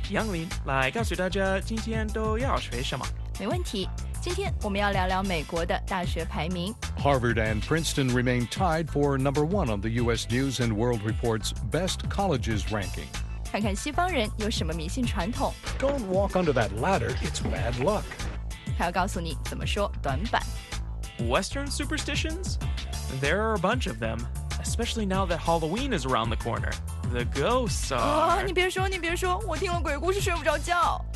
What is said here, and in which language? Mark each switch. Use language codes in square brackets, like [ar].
[zh] 杨林，来告诉大家今天都要学什么。没问题，今天我们要聊聊美国的大学排名。 [en] Harvard and Princeton remain tied for number one on the U.S. News and World Report's Best Colleges Ranking。 [zh] 看看西方人有什么迷信传统。 [en] Don't walk under that ladder, it's bad luck。 [zh] 还要告诉你怎么说短板。 [en] Western superstitions? There are a bunch of them, especially now that Halloween is around the corner. The ghosts are...、 [zh] 你别说，你别说，我听了鬼故事睡不着觉。